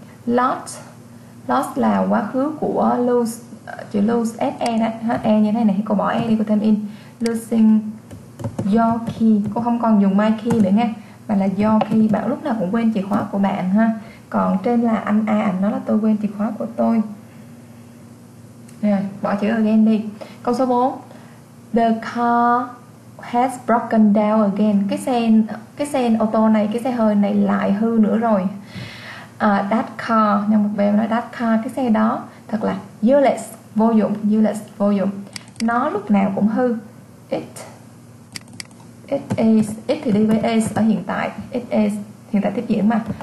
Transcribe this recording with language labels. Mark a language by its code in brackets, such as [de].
[vi] Lost là quá khứ của lose. Chữ lose, S-E đó. Hết E như thế này, cô bỏ E đi, cô thêm in. [en] Losing your key. [vi] Cô không còn dùng my key nữa nha, mà là your key, bạn lúc nào cũng quên chìa khóa của bạn ha. Còn trên là anh A, anh nói là tôi quên chìa khóa của tôi. Rồi, bỏ chữ again đi. Câu số 4, [en] the car has broken down again. [vi] Cái xe hơi này lại hư nữa rồi. [en] That car, [vi] nhân vật B nói [en] that car, [vi] cái xe đó thật là useless, vô dụng. Nó lúc nào cũng hư. It is thì đi với is ở hiện tại. It is hiện tại tiếp diễn mà.